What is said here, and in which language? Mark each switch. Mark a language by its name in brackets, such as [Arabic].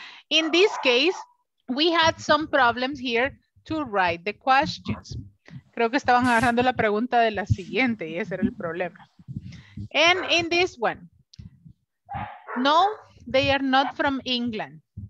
[English] In this case, we had some problems here to write the questions. [Spanish] Creo que estaban agarrando la pregunta de la siguiente y ese era el problema. [English] And in this one, no, they are not from England.